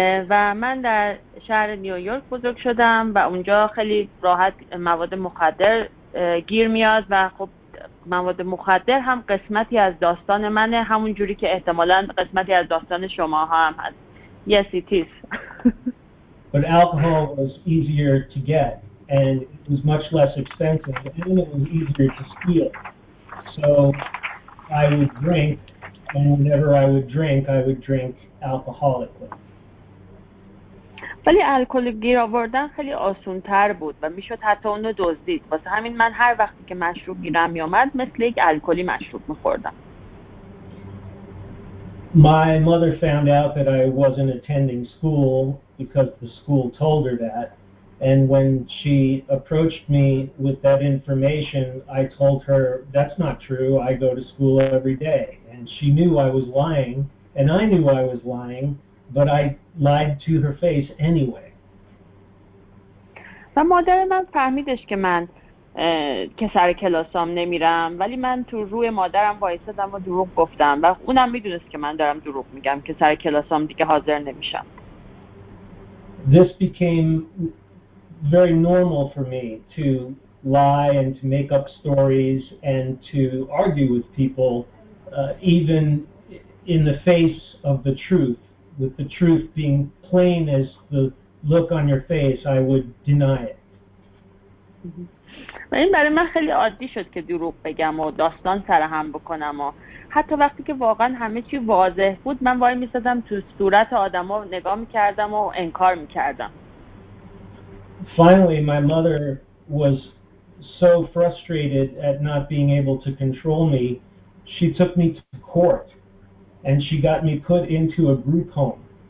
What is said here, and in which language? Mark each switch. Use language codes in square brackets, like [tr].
[fa] و من در شهر نیویورک بزرگ شدم و اونجا خیلی راحت مواد مخدر گیر میاد و خب مواد مخدر هم قسمتی از داستان منه، همون جوری که احتمالاً قسمتی از داستان شما هم هست. [en] Yes, it is. But alcohol was easier to get and it was much less expensive and it was easier to steal. So I would drink, and whenever I would drink alcoholically. [fa] ولی الکل گیر آوردن خیلی آسون تر بود و میشد حتی اونو دزدید. واسه همین من هر وقتی که مشروب گیرم میامد مثل یک الکلی مشروب میخوردم. [en] My mother found out that I wasn't attending school because the school told her that. And when she approached me with that information, I told her, that's not true, I go to school every day. And she knew I was lying, and I knew I was lying, but I lied to her face anyway. [fa] و مادر من فهمیدش که من که سر کلاسام نمیرم، ولی من تو روی مادرم وایسادم و دروغ گفتم و اونم میدونست که من دارم دروغ میگم که سر کلاسام دیگه حاضر نمیشم. [en] This became very normal for me to lie and to make up stories and to argue with people even in the face of the truth. With the truth being plain as the look on your face, I would deny it. [fa] و این برای من خیلی عادی شد که دروغ بگم و داستان سرهم بکنم و حتی وقتی که واقعا همه چی واضح بود من وای میسادم تو صورت آدم ها نگاه میکردم و انکار میکردم. [en] Finally, my mother was so frustrated at not being able to control me, she took me to court. And she got me put into a group home.